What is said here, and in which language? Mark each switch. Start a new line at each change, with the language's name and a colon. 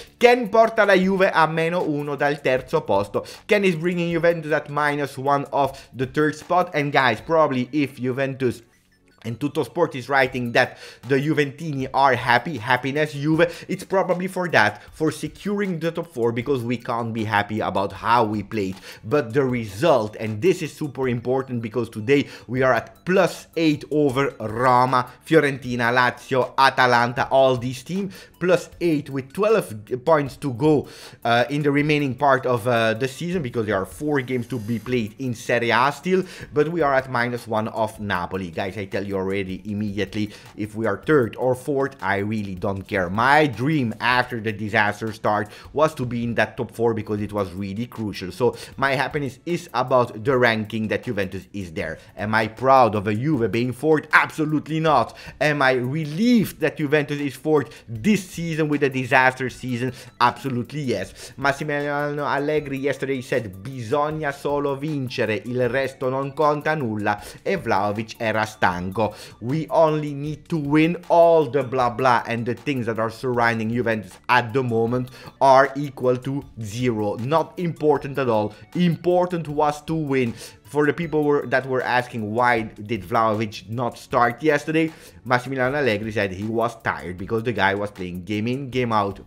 Italian: Ken porta la Juve a meno uno dal terzo posto.
English: Ken is bringing Juventus at minus one of the third spot. And guys, probably if Juventus and Tutto Sport is writing that the Juventini are happy, happiness Juve, it's probably for that, for securing the top 4, because we can't be happy about how we played. But the result, and this is super important, because today we are at plus 8 over Roma, Fiorentina, Lazio, Atalanta, all these teams, plus 8 with 12 points to go in the remaining part of the season, because there are 4 games to be played in Serie A still, but we are at minus 1 of Napoli. Guys, I tell you already immediately, if we are third or fourth, I really don't care. My dream after the disaster start was to be in that top 4 because it was really crucial. So my happiness is about the ranking that Juventus is there. Am I proud of a Juve being fourth? Absolutely not. Am I relieved that Juventus is fourth this season with a disaster season? Absolutely yes.
Italian: Massimiliano Allegri
English: yesterday said,
Italian: bisogna solo vincere, il resto non conta nulla, e Vlahovic era stanco.
English: We only need to win. All the blah blah and the things that are surrounding Juventus at the moment are equal to zero. Not important at all. Important was to win. For the people that were asking why did Vlahovic not start yesterday, Massimiliano Allegri said he was tired because the guy was playing game in, game out.